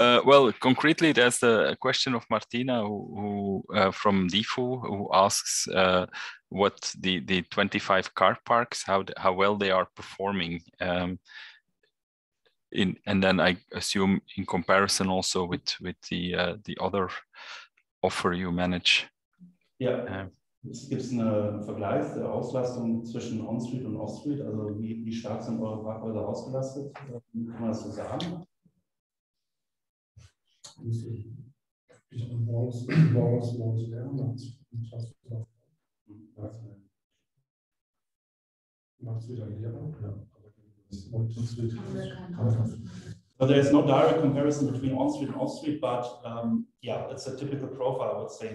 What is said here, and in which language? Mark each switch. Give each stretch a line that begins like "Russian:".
English: Well, concretely, there's the question of Martina who from DIFU, who asks what the 25 car parks, how well they are performing. And then I assume in comparison also with the other offer you manage. Yeah.
German: Es gibt einen Vergleich der Auslastung zwischen On-Street und Off-Street, also wie stark sind eure Parkhäuser ausgelastet? Wie kann man das so sagen?
English: So there is no direct comparison between on-street and off-street, but it's a typical profile, I would say.